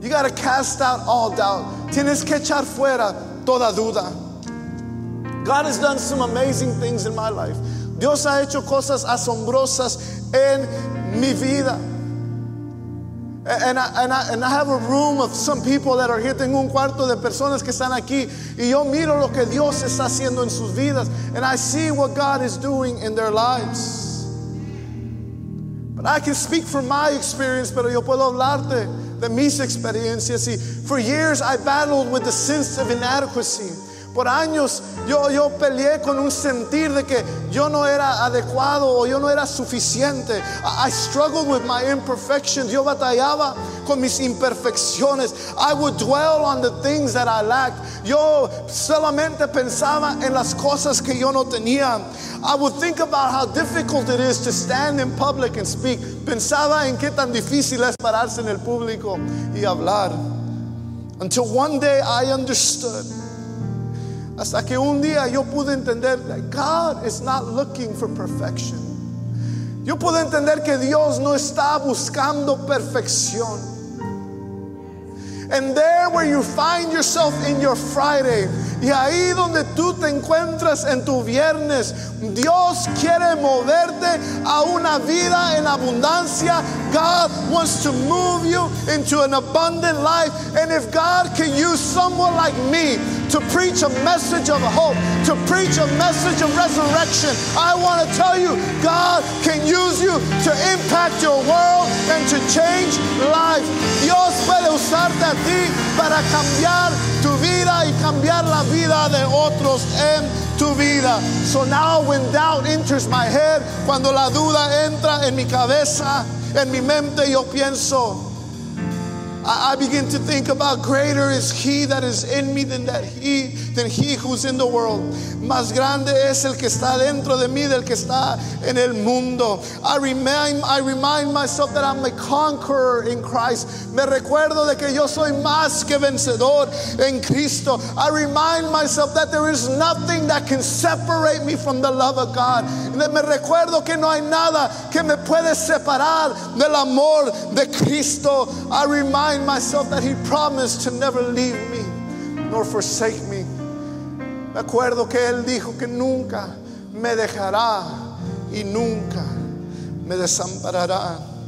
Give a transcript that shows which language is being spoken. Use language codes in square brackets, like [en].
[en] You gotta cast out all doubt. [es] Tienes que echar fuera toda duda. [en] God has done some amazing things in my life. [es] Dios ha hecho cosas asombrosas en mi vida. [en] And I have a room of some people that are here. [es] Tengo un cuarto de personas que están aquí. Y yo miro lo que Dios está haciendo en sus vidas. [en] And I see what God is doing in their lives. But I can speak from my experience, [es] pero yo puedo hablarte de mis experiencias. [en] See, for years I battled with the sense of inadequacy. [es] Por años yo peleé con un sentir de que yo no era adecuado o yo no era suficiente. [en] I struggled with my imperfections. [es] Yo batallaba con mis imperfecciones. [en] I would dwell on the things that I lacked. [es] Yo solamente pensaba en las cosas que yo no tenía. [en] I would think about how difficult it is to stand in public and speak. [es] Pensaba en qué tan difícil es pararse en el público y hablar. [en] Until one day I understood. [es] Hasta que un día yo pude entender [en] that God is not looking for perfection. [es] Yo pude entender que Dios no está buscando perfección. [en] And there where you find yourself in your Friday, [es] y ahí donde tú te encuentras en tu viernes, Dios quiere moverte a una vida en abundancia. [en] God wants to move you into an abundant life. And if God can use someone like me to preach a message of hope, to preach a message of resurrection, I want to tell you, God can use you to impact your world and to change lives. [es] Dios puede usarte a ti para cambiar tu vida y cambiar la vida de otros en tu vida. [en] So now when doubt enters my head, [es] cuando la duda entra en mi cabeza, en mi mente, yo pienso, [en] I begin to think about greater is he that is in me than he who's in the world. [es] Más grande es el que está dentro de mí del que está en el mundo. [en] I remind myself that I'm a conqueror in Christ. [es] Me recuerdo de que yo soy más que vencedor en Cristo. [en] I remind myself that there is nothing that can separate me from the love of God. [es] Me recuerdo que no hay nada que me puede separar del amor de Cristo. [en] I remind myself that he promised to never leave me nor forsake me. [es] Me acuerdo que Él dijo que nunca me dejará y nunca me desamparará.